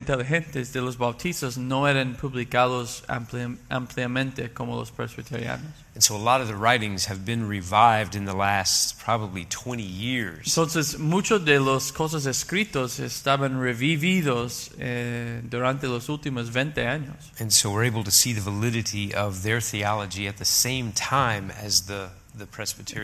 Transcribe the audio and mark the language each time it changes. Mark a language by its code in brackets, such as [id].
[es] inteligentes de los bautistas no eran publicados ampliamente como los presbiterianos. [en] And so a lot of the writings have been revived in the last probably 20 years. [es] Entonces, muchos de los cosas escritos estaban revividos durante los últimos 20 años. [en] And so we're able to see the validity of their theology at the same time as the Presbyterian.